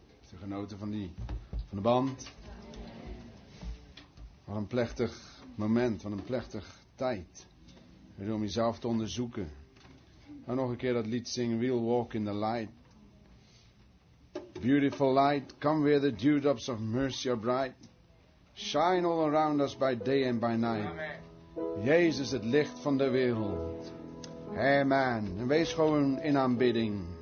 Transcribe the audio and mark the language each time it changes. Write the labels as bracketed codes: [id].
[nl] De genoten van die van de band. Wat een plechtig moment, van een plechtig tijd. Om jezelf te onderzoeken. En nog een keer dat lied zingen. [en] We'll walk in the light. Beautiful light. Come where the dewdrops of mercy are bright. Shine all around us by day and by night. [nl] Jezus, het licht van de wereld. Amen. En wees gewoon in aanbidding.